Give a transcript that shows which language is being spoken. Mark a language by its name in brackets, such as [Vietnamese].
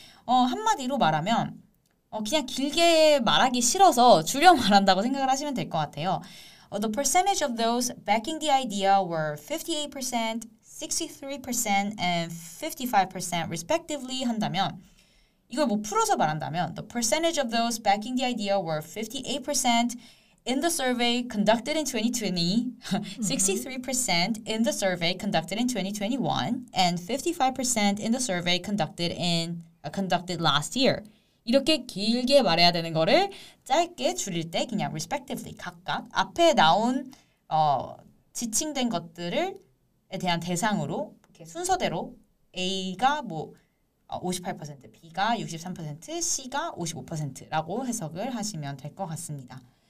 [Korean] 한마디로 말하면 그냥 길게 말하기 싫어서 줄여 말한다고 생각을 하시면 될 것 같아요. [English] The percentage of those backing the idea were 58%, 63% and 55% respectively [Korean] 한다면 이걸 뭐 풀어서 말한다면 [English] the percentage of those backing the idea were 58% in the survey conducted in 2020, 63% in the survey conducted in 2021 and 55% in the survey conducted in conducted last year. [Korean] 이렇게 길게 말해야 되는 거를 짧게 줄일 때 그냥 respectively 각각 앞에 나온 지칭된 것들을 에 대한 대상으로 이렇게 순서대로 A가 뭐 58%, B가 63%, C가 55%라고 해석을 하시면 될 것 같습니다.